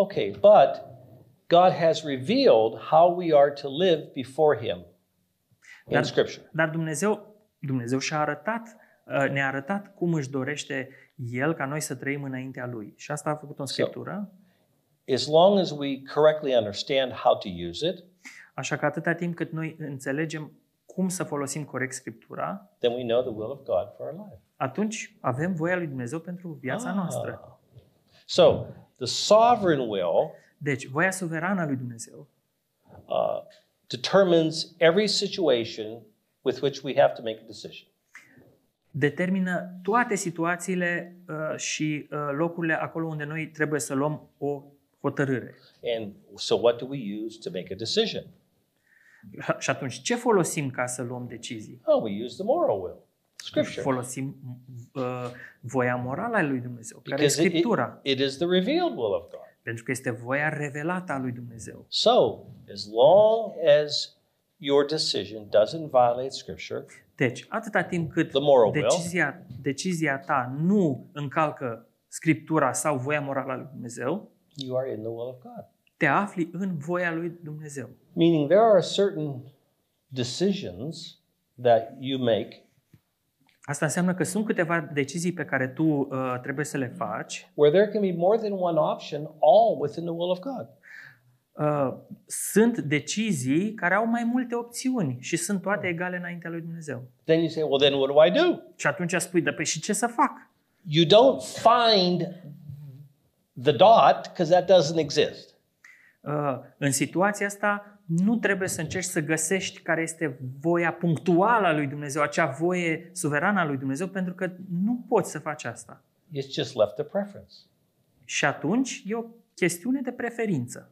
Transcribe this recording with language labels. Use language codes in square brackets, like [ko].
[en] Okay, but God has revealed how we are to live before him in scripture. [ro] Dar Dumnezeu și-a arătat ne-a arătat cum își dorește el ca noi să trăim înaintea lui. Și asta a făcut-o în Scriptură. [en] As long as we correctly understand how to use it. [ro] Așa că atâta timp cât noi înțelegem cum să folosim corect Scriptura, [en] then we know the will of God for our life. [ro] Atunci avem voia lui Dumnezeu pentru viața noastră. [en] So, the sovereign will, [ro] deci, voia suverană a lui Dumnezeu, [en] determines every situation with which we have to make a decision. [ro] Determină toate situațiile și locurile acolo unde noi trebuie să luăm o hotărâre. [en] And so what do we use to make a decision? [ro] Și atunci ce folosim ca să luăm decizii? [en] Oh, we use the moral will. Scripture. [ro] Folosim voia morală a lui Dumnezeu, care e Scriptura. [en] It is the revealed will of God. [ro] Pentru că este voia revelată a lui Dumnezeu. [en] So, as long as your decision doesn't violate Scripture, [ro] deci, atâta timp cât decizia ta nu încalcă Scriptura sau voia morală a lui Dumnezeu, [en] you are in the will of God. [ro] Te afli în voia lui Dumnezeu. [en] Meaning there are certain decisions that you make. [ro] Asta înseamnă că sunt câteva decizii pe care tu trebuie să le faci. [en] Where there can be more than one option, all within the will of God. [ro] Sunt decizii care au mai multe opțiuni și sunt toate egale înaintea lui Dumnezeu. [en] Then you say, well, then what do I do? [ro] Și atunci spui, da, pe și ce să fac? [en] You don't find the dot because that doesn't exist. [ro] În situația asta nu trebuie să încerci să găsești care este voia punctuală a lui Dumnezeu, acea voie suverană a lui Dumnezeu, pentru că nu poți să faci asta. [en] It's just left to preference. [ro] Și atunci e o chestiune de preferință.